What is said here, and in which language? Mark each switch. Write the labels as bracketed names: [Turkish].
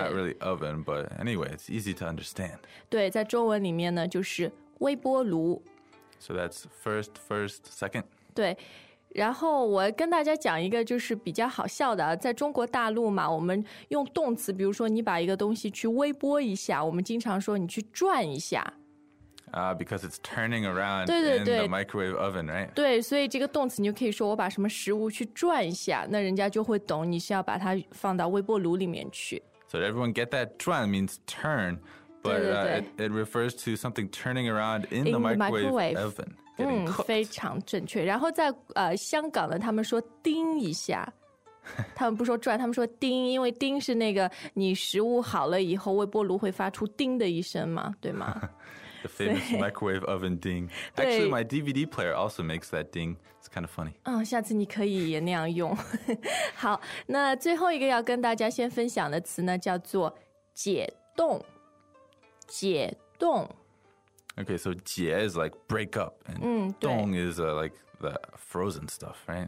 [English] ，not really oven， but anyway， it's easy to understand。 [Chinese] 对，在中文里面呢，就是微波炉。 [English] So that's first, second。 [Chinese] 对。然后我跟大家讲一个就是比较好笑的，在中国大陆嘛，我们用动词，比如说你把一个东西去微波一下，我们经常说你去转一下。 [English] Because it's turning around [Chinese] 对对对 [English] in the microwave oven, right? [Chinese] 对，所以这个动词你就可以说我把什么食物去转一下，那人家就会懂你是要把它放到微波炉里面去。 [English] So everyone get that, 转 means turn, but [Chinese] 对对对 [English] it refers to something turning around in the microwave oven. [Chinese] 嗯，非常正确。然后在香港呢，他们说叮一下，他们不说转，他们说叮，因为叮是那个你食物好了以后，微波炉会发出叮的一声嘛，对吗？ [English] The famous microwave oven ding. Actually, my DVD player also makes that ding. It's kind of funny. [Chinese] 嗯，下次你可以也那样用。好，那最后一个要跟大家先分享的词呢，叫做解冻，解冻。 [English] Okay, so 解 is like break up, and 冻 is like the frozen stuff, right?